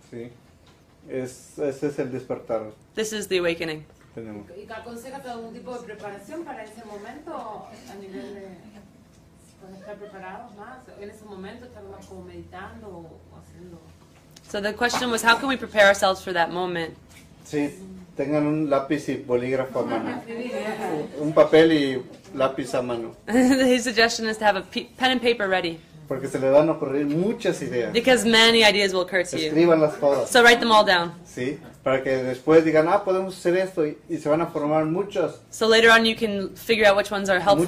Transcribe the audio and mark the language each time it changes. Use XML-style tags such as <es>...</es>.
<es>Sí. Ese es el despertar.</es> <en>This is the awakening.</en> <es>Tenemos. ¿Y aconsejas algún tipo de preparación para ese momento o a nivel de estar preparados más? En ese momento estar más como meditando o haciendo.</es> <en>So the question was, how can we prepare ourselves for that moment?</en> <es>Sí, tengan un lápiz y bolígrafo a mano. Un papel y lápiz a mano.</es> <en>His suggestion is to have a pen and paper ready.</en> <es>Porque se le van a ocurrir muchas ideas.</es> <en>Because many ideas will occur to you.</en> <es>Escríbanlas todas.</es> <en>So write them all down.</en> <es>Sí, para que después digan, ah, podemos hacer esto, y se van a formar muchas.</es> <en>So later on you can figure out which ones are helpful</en>